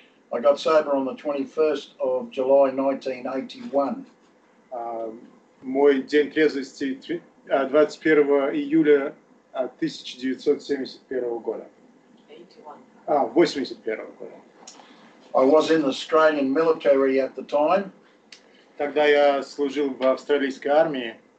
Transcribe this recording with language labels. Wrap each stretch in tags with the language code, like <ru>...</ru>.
<en>I got sober on the 21st of July 1981.</en> <ru>Мой день трезвости 21 июля 1971 года. 81 года.</ru> <en>I was in the Australian military at the time.</en> <ru>Тогда я служил в австралийской армии.</ru>